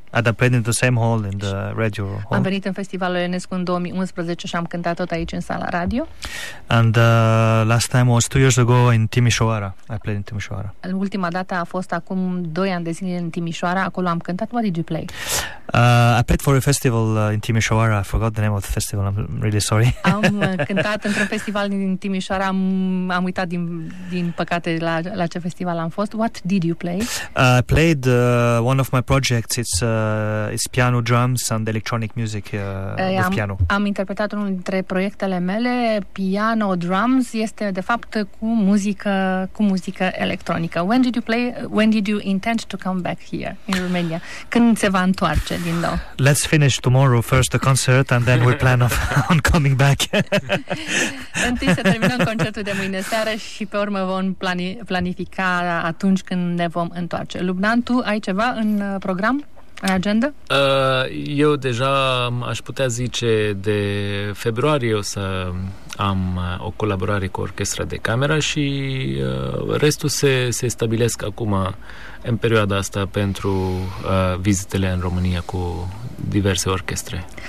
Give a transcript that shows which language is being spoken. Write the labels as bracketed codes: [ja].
[en] And I played in the same hall, in the radio hall. [ro] Am venit în festivalul Enescu în 2011 și am cântat tot aici în sala radio. [en] And last time was 2 years ago in Timișoara. I played in Timișoara. [ro] Ultima dată a fost acum 2 ani de zile în Timișoara. Acolo am cântat. [en] What did you play? I played for a festival in Timișoara. I forgot the name of the festival. I'm really sorry. [ro] Am cântat într-un festival din Timișoara. Am uitat din păcate la ce festival am fost. [en] What did you play? I played one of my projects. It's piano, drums and electronic music with piano. [ro] Am interpretat unul dintre proiectele mele, piano, drums, este de fapt cu muzică electronică. [en] When did you play, when did you intend to come back here in Romania? [ro] Când se va întoarce din nou? [en] Let's finish tomorrow first the concert and then we plan on coming back. [ro] Întâi să terminăm concertul de mâine seară și pe urmă vom planifica atunci când ne vom întoarce. Lubnan, tu ai ceva în program? Agenda? Eu deja aș putea zice de februarie o să am o colaborare cu orchestra de cameră și restul se stabilesc acum în perioada asta pentru vizitele în România cu diverse orchestre.